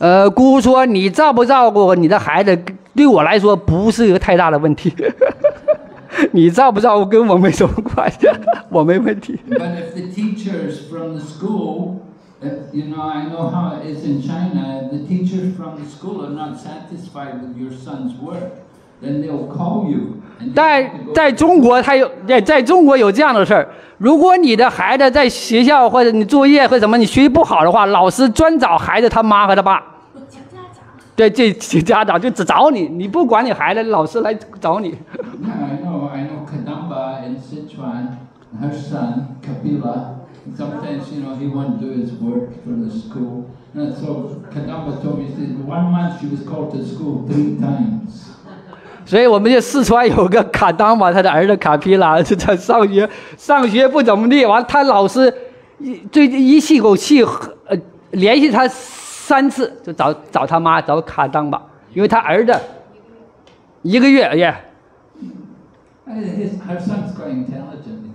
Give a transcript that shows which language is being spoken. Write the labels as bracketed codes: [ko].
[zh] 姑姑说你照不照顾你的孩子，对我来说不是一个太大的问题。你照不照顾跟我没什么关系，我没问题。 [en] But if the teachers from the school. You know, I know how it is in China. The teachers from the school are not satisfied with your son's work. Then they'll call you. [zh] 在中国，他有在中国有这样的事儿。如果你的孩子在学校或者你作业或什么你学习不好的话，老师专找孩子他妈和他爸。请家长。对，请家长就只找你，你不管你孩子，老师来找你。 [en] I know Kadamba in Sichuan, her son Kapila. Sometimes, you know, he won't do his work for the school. And so Kadamba told me, said, one month she was called to school three times. [zh] 所以我们就四川有个卡当巴，他的儿子卡皮拉，他上学不怎么地，完他老师一气口气联系他三次，就找他妈，找卡当巴，因为他儿子一个月， [en] yeah. Her son's quite intelligent.